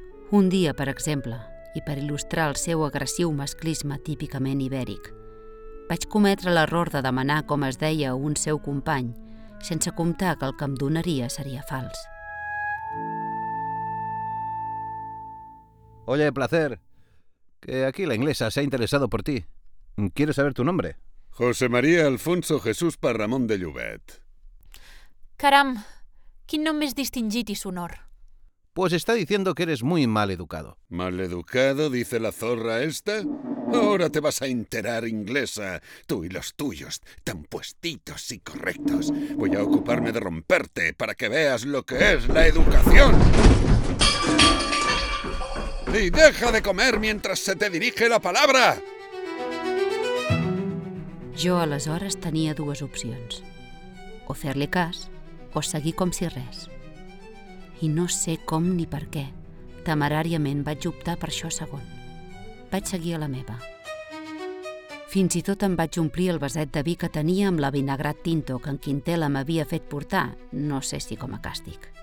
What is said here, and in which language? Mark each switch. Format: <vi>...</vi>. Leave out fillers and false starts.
<ca>Un dia, per exemple, i per il·lustrar el seu agressiu masclisme típicament ibèric, vaig cometre l'error de demanar com es deia un seu company, sense comptar que el que em donaria seria fals.</ca> <es>Oye, Placer, que aquí la inglesa se ha interesado por ti. Quiero saber tu nombre. José María Alfonso Jesús Parramón de Llobet.</es> <ca>Caram, quin nom més distingit i sonor.</ca> <es>Pues está diciendo que eres muy mal educado. ¿Mal educado, dice la zorra esta? Ahora te vas a enterar, inglesa, tú y los tuyos, tan puestitos y correctos. Voy a ocuparme de romperte para que veas lo que es la educación. ¡Y deja de comer mientras se te dirige la palabra!</es> <ca>Jo, aleshores, tenia dues opcions. O fer-li cas, o seguir com si res. I no sé com ni per què, temeràriament vaig optar per això segon. Vaig seguir a la meva. Fins i tot em vaig omplir el vaset de vi que tenia amb la vinagrat tinto que en Quintela m'havia fet portar, no sé si com a càstig.</ca>